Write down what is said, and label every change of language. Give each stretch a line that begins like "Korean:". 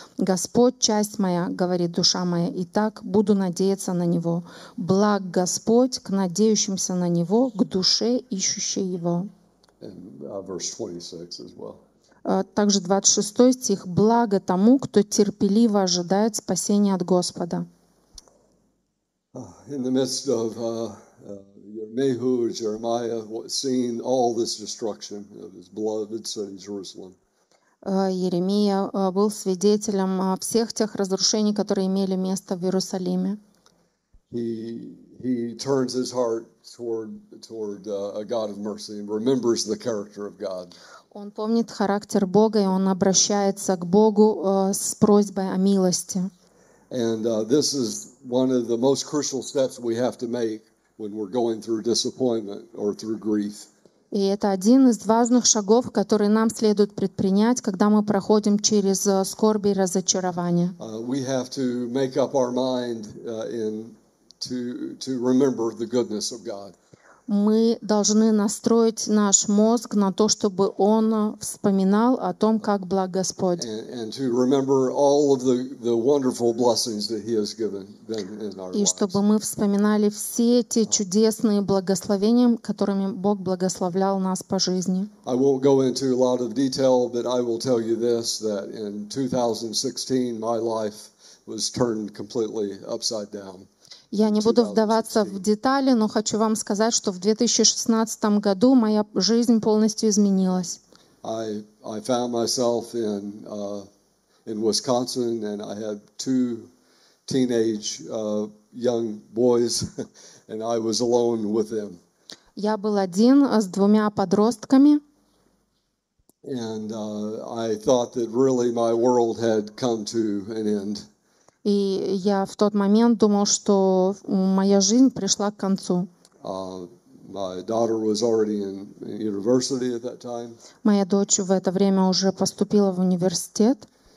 Russian: Господь — часть моя, говорит душа моя, и так буду надеяться на Него. Благ Господь к надеющимся на Него, к душе ищущей Его.
English: Verse 26 as well.
Russian: Также 26 стих. Благо тому, кто терпеливо ожидает спасения от Господа.
English: In the midst of Yirmiyahu, Jeremiah seeing all this destruction of his beloved city Jerusalem.
Russian: Иеремия был свидетелем всех тех разрушений, которые имели место в Иерусалиме.
English: He turns his heart toward a God of mercy and remembers the character of God.
Russian: Он помнит характер Бога, и он обращается к Богу с просьбой о милости.
English: And this is one of the most crucial steps we have to make when we're going through disappointment or through grief.
Russian: И это один из важных шагов, которые нам следует предпринять, когда мы проходим через скорби и разочарование.
English: We have to make up our mind in to remember the goodness of God.
Russian: мы должны настроить наш мозг на то, чтобы он вспоминал о том, как благ Господь. И чтобы мы вспоминали все те чудесные благословения, которыми Бог благословлял нас по жизни.
English: I won't go into a lot of detail, but I will tell you this, that in 2016 my life was turned completely upside down.
Russian: Я не буду вдаваться в детали, но хочу вам сказать, что в 2016 году моя жизнь полностью изменилась.
English: I found myself in Wisconsin, and I had two teenage young boys, and I was alone with them.
Russian: Я был один с двумя подростками.
English: And I thought that really my world had come to an end.
Russian: И я в тот момент думал, что моя жизнь пришла к концу.
English: My daughter was already in university at that time.
Russian: Моя дочь в это время уже поступила в университет.